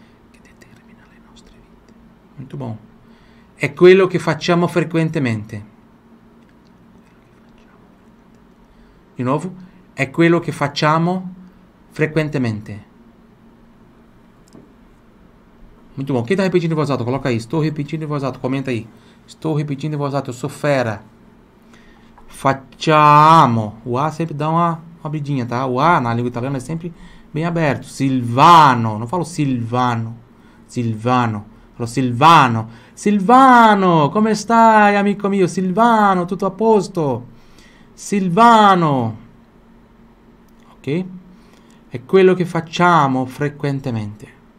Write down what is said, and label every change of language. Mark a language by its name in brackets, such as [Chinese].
[Italian] Che determina le nostre vite. Molto buono. È quello che facciamo frequentemente. Di nuovo, è quello che facciamo frequentemente. Molto buono. Chi sta ripetendo in voz alta? [Portuguese] Coloca aí. [Italian] Sto ripetendo in voz alta. [Portuguese] Comenta aí. [Italian] Sto ripetendo in voz alta. [Portuguese] Eu sou fera. [Italian] Facciamo. [Portuguese] O A sempre dá uma abridinha, tá? O A na língua italiana é sempre bem aberto. Silvano. Não falo Silvano. Silvano. Falo Silvano. [Italian] Silvano, come stai, amico mio? Silvano, tutto a posto? Silvano, ok? È quello che facciamo frequentemente.